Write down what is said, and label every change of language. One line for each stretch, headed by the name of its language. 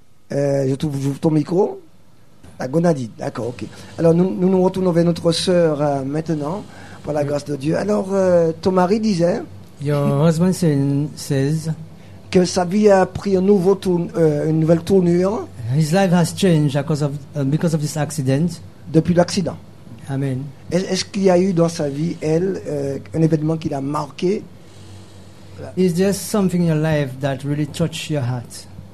French: J'ouvre ton micro. La Gonadine, d'accord, ok. Alors nous retournons vers notre sœur maintenant, par la grâce de Dieu. Alors ton mari disait...
English: Your husband says...
French: Que sa vie a pris une nouvelle tournure.
English: His life has changed because of this accident.
French: Depuis l'accident. Amen. Est-ce qu'il y a eu dans sa vie, elle, un événement qui l'a marqué?
English: Is there something in your life that really touched your heart?